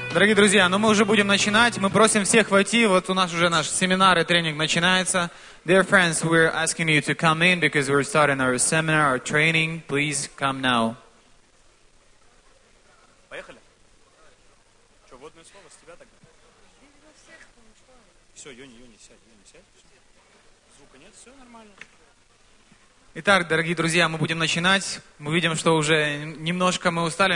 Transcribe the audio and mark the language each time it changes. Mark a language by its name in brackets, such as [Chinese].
[Russian] Дорогие друзья, ну мы уже будем начинать. Мы просим всех войти. Вот у нас уже наш семинар и тренинг начинается. [English] Dear friends, we're asking you to come in because we're starting our seminar, our training. Please come now. [Russian] Поехали. Что, вводное слово с тебя тогда? Все, Юни, сядь. Звука нет, все нормально. Итак, дорогие друзья, мы будем начинать. Мы видим, что уже немножко мы устали.